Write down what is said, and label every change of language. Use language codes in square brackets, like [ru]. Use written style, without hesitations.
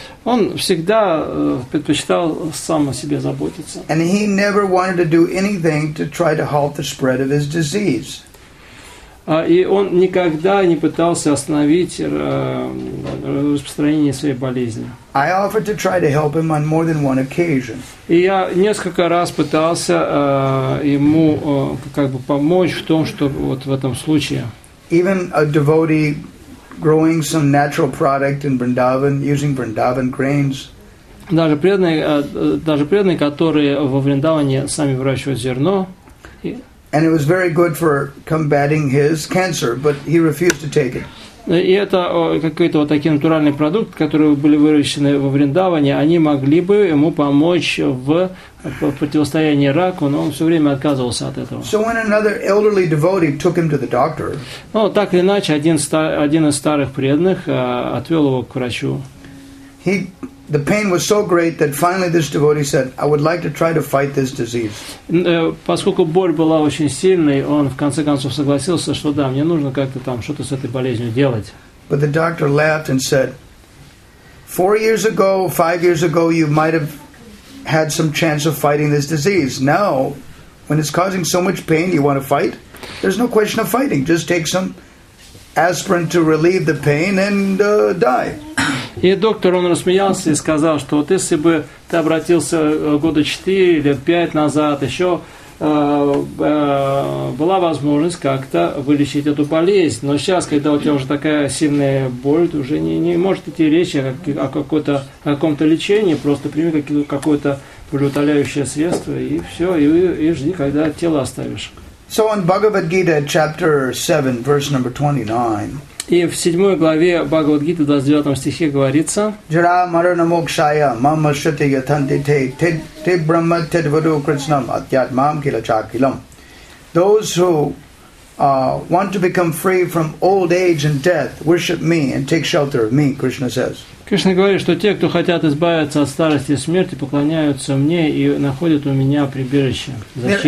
[ru] Он всегда предпочитал сам о себе заботиться. [en] And he never wanted to do anything to try to halt the spread of his disease. [ru] И он никогда не пытался остановить распространение своей болезни. [en] I offered to try to help him on more than one occasion. [ru] И я несколько раз пытался ему как бы помочь в том, что вот в этом случае. [en] Even a devotee growing some natural product in Vrindavan using Vrindavan grains. [ru] Даже преданные, которые во Вриндаване сами выращивают зерно. [en] And it was very good for combating his cancer, but he refused to take it. [ru] И это какой-то вот такой натуральный продукт, который были выращены во Вриндаване, они могли бы ему помочь в противостоянии раку, но он все время отказывался от этого. [en] So when another elderly devotee took him to the doctor. [ru] Ну, так или иначе, один из старых преданных отвел его к врачу. [en] The pain was so great that finally this devotee said, I would like to try to fight this disease. [ru] Поскольку боль была очень сильной, он в конце концов согласился, что да, мне нужно как-то там что-то с этой болезнью делать. [en] But the doctor laughed and said, 4 years ago, 5 years ago, you might have had some chance of fighting this disease. Now, when it's causing so much pain, you want to fight? There's no question of fighting. Just take some aspirin to relieve the pain and die. [ru] И доктор, он рассмеялся и сказал, что вот если бы ты обратился 4 или 5 лет назад, еще была возможность как-то вылечить эту болезнь. Но сейчас, когда у тебя уже такая сильная боль, уже не может идти речь о каком-то лечении, просто прими какое-то болеутоляющее средство и все, и жди, когда тело оставишь. [en] So in Bhagavad Gita, chapter 7, verse number 29. [ru] И в 7 главе Бхагавад-гиты, в 29 стихе говорится: [sa] «Джара марана мокшая мама шрити ятанти те те брахма те дваду кришнам атьятмам кила чакилам». [en] Those who want to become free from old age and death worship me and take shelter of me, Krishna says. [ru] Кришна говорит, что те, кто хотят избавиться от старости и смерти, поклоняются мне и находят у меня прибежище, защиту.